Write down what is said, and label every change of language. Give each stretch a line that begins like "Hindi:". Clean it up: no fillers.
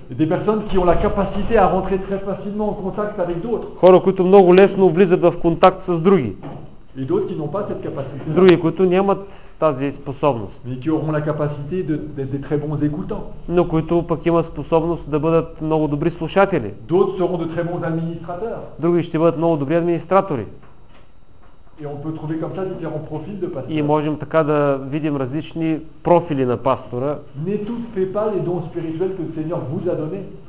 French: Des personnes qui ont la capacité à rentrer très facilement en contact avec d'autres.
Bulgarian: Хора, които много лесно влизат в контакт с други.
French: Et d'autres qui n'ont pas cette capacité.
Bulgarian: Други, които нямат тази способност.
French: Mais qui auront la capacité d'être très bons écoutants.
Bulgarian: Но които пък имат способност да бъдат много добри слушатели.
French: D'autres seront de très bons administrateurs.
Bulgarian: Други ще бъдат много добри администратори.
French: Et on peut trouver comme ça différents profils de pasteurs.
Bulgarian: И можем така да видим различни профили на пастора.
French: N'étouffez pas les dons spirituels que le Seigneur vous a donné.